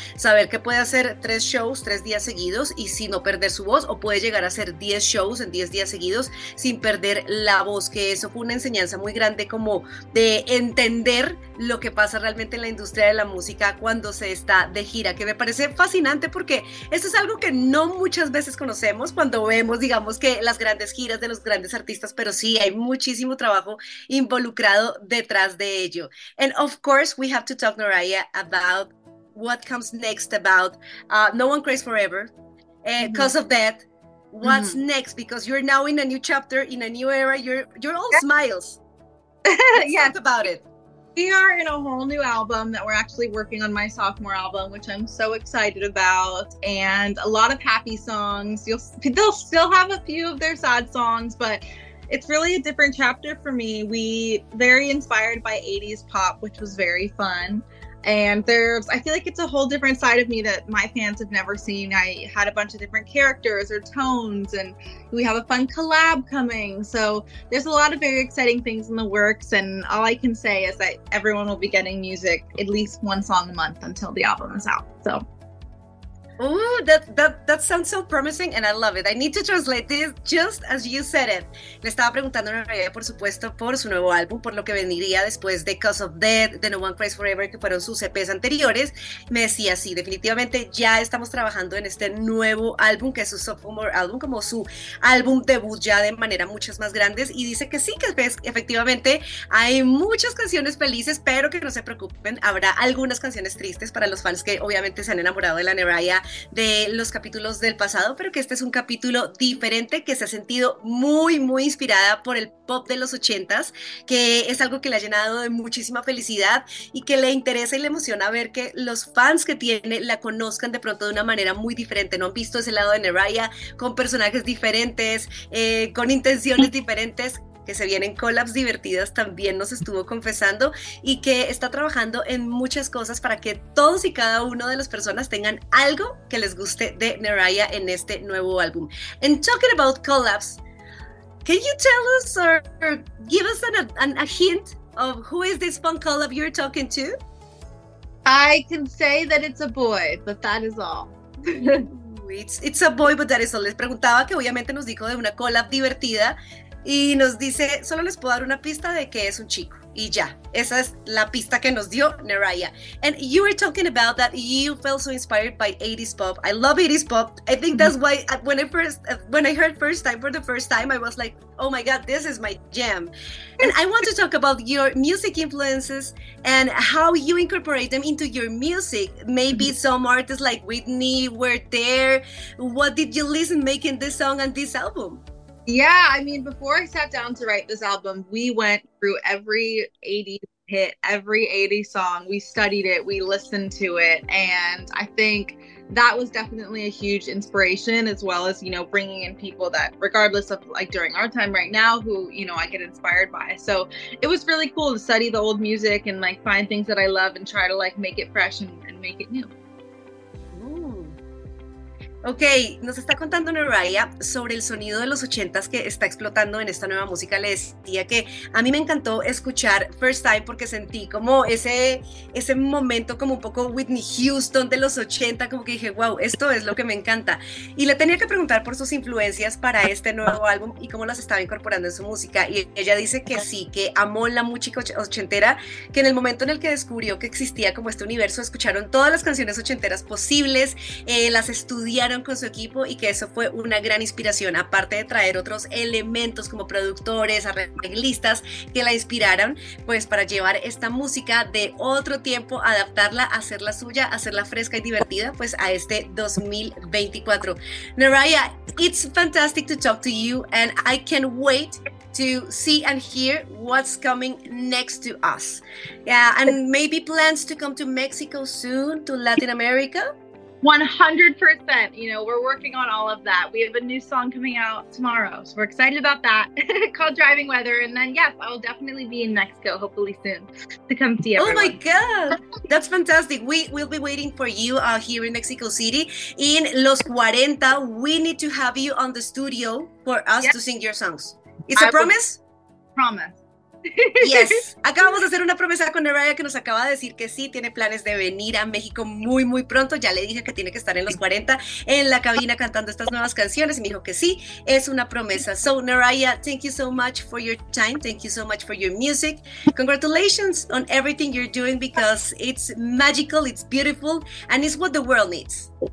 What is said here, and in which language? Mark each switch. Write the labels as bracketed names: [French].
[Spanish] Saber que puede hacer 3 shows 3 días seguidos y sin no perder su voz, o puede llegar a hacer 10 shows en 10 días seguidos sin perder la voz, que eso fue una enseñanza muy grande, como de entender lo que pasa realmente en la industria de la música cuando se está de gira, que me parece fascinante porque eso es algo que no muchas veces conocemos cuando vemos, digamos, que las grandes giras de los grandes artistas, pero sí hay muchísimo trabajo involucrado detrás de ello. [English] And of course we have to talk, Noraya, about what comes next, about No One Cries Forever, because of that. What's next? Because you're now in a new chapter, in a new era. You're all smiles. Yes. Talk about it. We are in a whole new album that we're actually working on, my sophomore album, which I'm so excited about. And a lot of happy songs. They'll still have a few of their sad songs, but it's really a different chapter for me. We very inspired by 80s pop, which was very fun. And I feel like it's a whole different side of me that my fans have never seen. I had a bunch of different characters or tones, and we have a fun collab coming. So there's a lot of very exciting things in the works. And all I can say is that everyone will be getting music at least one song a month until the album is out. So. Ooh, that sounds so promising and I love it. I need to translate this just as you said it. [Spanish] Le estaba preguntando a Noraya, por supuesto, por su nuevo álbum, por lo que vendría después de Cause of Death, de No One Cries Forever, que fueron sus EPs anteriores. Me decía, sí, definitivamente ya estamos trabajando en este nuevo álbum, que es su sophomore álbum, como su álbum debut ya de manera muchas más grandes. Y dice que sí, que efectivamente hay muchas canciones felices, pero que no se preocupen, habrá algunas canciones tristes para los fans que obviamente se han enamorado de la Noraya de los capítulos del pasado, pero que este es un capítulo diferente, que se ha sentido muy, muy inspirada por el pop de los 80s, que es algo que le ha llenado de muchísima felicidad y que le interesa y le emociona ver que los fans que tiene la conozcan de pronto de una manera muy diferente. No han visto ese lado de Noraya con personajes diferentes, con intenciones diferentes, que se vienen collabs divertidas, también nos estuvo confesando, y que está trabajando en muchas cosas para que todos y cada uno de las personas tengan algo que les guste de Noraya en este nuevo álbum. [English] And talking about collabs, can you tell us or give us a hint of who is this fun collab you're talking to? I can say that it's a boy, but that is all. it's a boy, but that is all. [Spanish] Les preguntaba, que obviamente nos dijo de una collab divertida, y nos dice, solo les puedo dar una pista de que es un chico. Y ya, esa es la pista que nos dio Noraya. [English] And you were talking about that you felt so inspired by 80s pop. I love 80s pop. I think that's why when I heard first time, I was like, oh my God, this is my jam. And I want to talk about your music influences and how you incorporate them into your music. Maybe some artists like Whitney were there. What did you listen making this song and this album? Yeah, I mean, before I sat down to write this album, we went through every 80s hit, every 80s song. We studied it, we listened to it, and I think that was definitely a huge inspiration, as well as, you know, bringing in people that, regardless of, like, during our time right now, who, you know, I get inspired by. So it was really cool to study the old music and, like, find things that I love and try to, like, make it fresh and make it new. [Spanish] Ok, nos está contando Noraya sobre el sonido de los 80s que está explotando en esta nueva música. Le decía que a mí me encantó escuchar First Time porque sentí como ese momento como un poco Whitney Houston de los 80, como que dije, wow, esto es lo que me encanta. Y le tenía que preguntar por sus influencias para este nuevo álbum y cómo las estaba incorporando en su música. Y ella dice que sí, que amó la música ochentera, que en el momento en el que descubrió que existía como este universo, escucharon todas las canciones ochenteras posibles, las estudiaron con su equipo, y que eso fue una gran inspiración, aparte de traer otros elementos como productores, arreglistas que la inspiraron, pues para llevar esta música de otro tiempo, adaptarla, hacerla suya, hacerla fresca y divertida, pues a este 2024. [English] Noraya, it's fantastic to talk to you and I can't wait to see and hear what's coming next to us. Yeah, and maybe plans to come to Mexico soon, to Latin America. 100%. You know, we're working on all of that. We have a new song coming out tomorrow, so we're excited about that, called Driving Weather. And then, yes, I will definitely be in Mexico, hopefully soon, to come see everyone. Oh, my God. That's fantastic. We will be waiting for you here in Mexico City in Los 40. We need to have you on the studio for us to sing your songs. It's a promise? Promise. [Spanish] Yes, acabamos de hacer una promesa con Araya que nos acaba de decir que sí, tiene planes de venir a México muy, muy pronto. Ya le dije que tiene que estar en los 40 en la cabina cantando estas nuevas canciones y me dijo que sí, es una promesa. [English] So, Araya, thank you so much for your time. Thank you so much for your music. Congratulations on everything you're doing because it's magical, it's beautiful, and it's what the world needs.